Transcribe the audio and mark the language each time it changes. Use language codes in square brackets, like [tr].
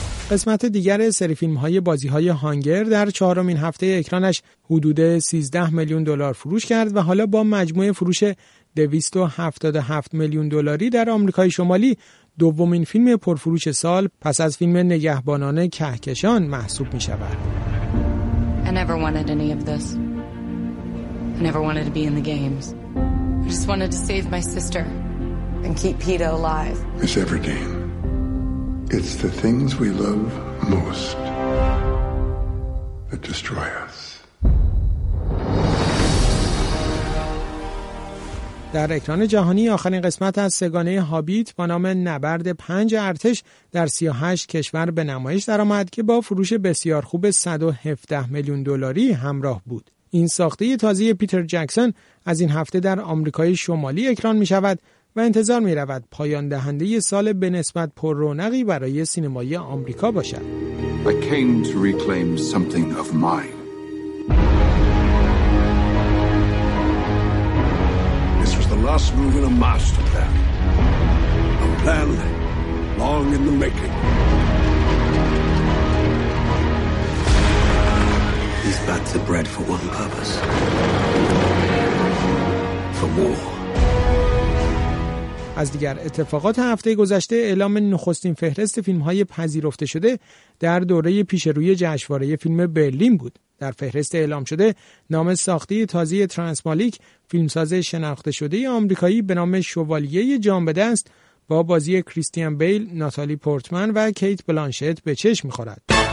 [fa] قسمت دیگر سری فیلم‌های بازی‌های هانگر در 4 هفته اکرانش حدود 13 میلیون دلار فروش کرد و حالا با مجموع فروش 277 میلیون دلاری در آمریکای شمالی دومین فیلم پرفروش سال پس از فیلم نگهبانان کهکشان محسوب می‌شود. [en] I never wanted any of this. I never wanted to be in the games. I just wanted to save my sister and keep Peter alive. It's every game. It's the things we love most that destroy us. [fa] در اکران جهانی آخرین قسمت از سگانه هابیت با نام نبرد 5 ارتش در 38 کشور به نمایش درآمد که با فروش بسیار خوب 117 میلیون دلاری همراه بود. این ساخته تازه پیتر جکسون از این هفته در آمریکای شمالی اکران می شود و انتظار می رود پایان دهنده ی سال به نسبت پر رونقی برای سینمای آمریکا باشد. [en] I came to reclaim something of mine. This was the last move in a master plan. A plan long in the making. These bats are bred for one purpose. For war. [fa] از دیگر اتفاقات هفته گذشته اعلام نخستین فهرست فیلم‌های پذیرفته شده در دوره پیشروی جشنواره فیلم برلین بود. در فهرست اعلام شده نام ساخته تازه ترانسمالیک، فیلمساز شناخته شده آمریکایی به نام شوالیه جام به دست با بازی کریستیان بیل، ناتالی پورتمن و کیت بلانشت به چشم می‌خورد.